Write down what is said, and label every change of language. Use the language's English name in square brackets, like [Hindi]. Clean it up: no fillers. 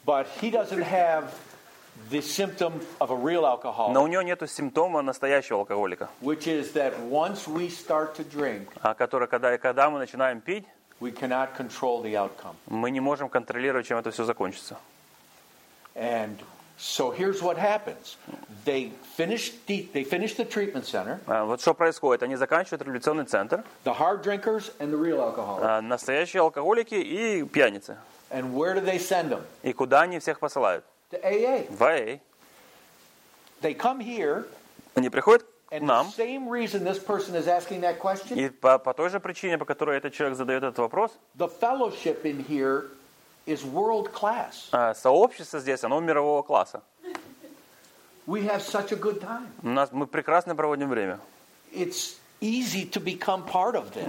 [English] But he doesn't have the symptom of a real alcoholic. [Russian] Но у него нету симптома настоящего алкоголика. [English] Which is that once we start to drink, [Russian] который когда мы начинаем пить. [English] We cannot control the outcome. [Russian] Мы не можем контролировать, чем это все закончится. [English] And so here's what happens. They finish the treatment center. [Russian] Вот что происходит. Они заканчивают реабилитационный центр. [English] The hard drinkers and the real alcoholics. [Russian] Настоящие алкоголики и пьяницы. [English] And where do they send them? [Russian] И куда они всех посылают? [English] To AA. [Russian] В AA. [English] They come here. [Russian] Они приходят. [English] And [Russian] нам. [English] The same reason this person is asking that question. [Russian] И по той же причине, по которой этот человек задает этот вопрос. [English] The fellowship in here is world class. [Russian] Сообщество здесь, оно мирового класса. [English] We have such a good time. [Russian] Мы прекрасно проводим время. [English] It's easy to become part of this.